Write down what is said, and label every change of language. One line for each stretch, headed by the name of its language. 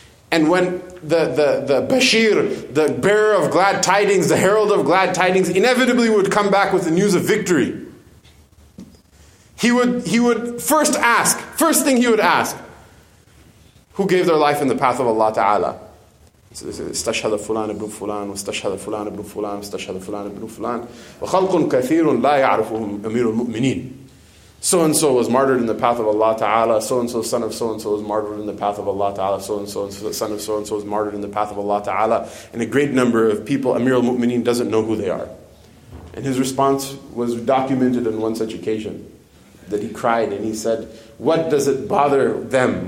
English: And when the Bashir, the bearer of glad tidings, the herald of glad tidings, inevitably would come back with the news of victory, first thing he would ask, who gave their life in the path of Allah Ta'ala?
Arabic: استشهد فلان ابن فلان واستشهد فلان ابن فلان واستشهد فلان ابن فلان وخلق كثير لا يعرفهم أمير المؤمنين.
English: So and so was martyred in the path of Allah Ta'ala. So and so, son of so and so, was martyred in the path of Allah Ta'ala. So and so, son of so and so, was martyred in the path of Allah Ta'ala. And a great number of people, Amir al-Mu'mineen doesn't know who they are. And his response was documented on one such occasion that he cried and he said, "What does it bother them?